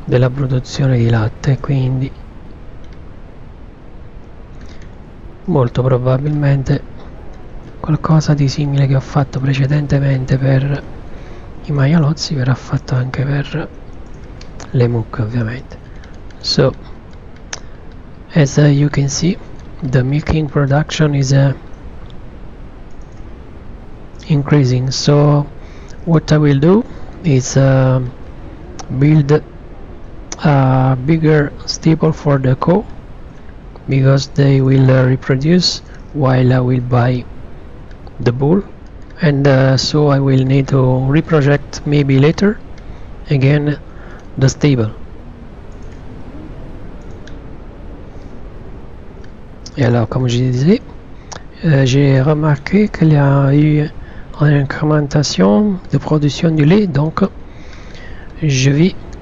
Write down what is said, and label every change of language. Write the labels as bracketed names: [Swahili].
[Italian] produzione di latte, quindi molto probabilmente qualcosa di simile che ho fatto precedentemente per i maialozzi verrà fatto anche per le mucche, ovviamente. [English] So, as you can see, the milking production is increasing. So, what I will do is build a bigger stable for the cow because they will reproduce while I will buy the bull, and so I will need to reproject maybe later again the stable. [French] Et alors, comme je disais, j'ai remarqué qu'il y a eu une augmentation de production du lait, donc je vais.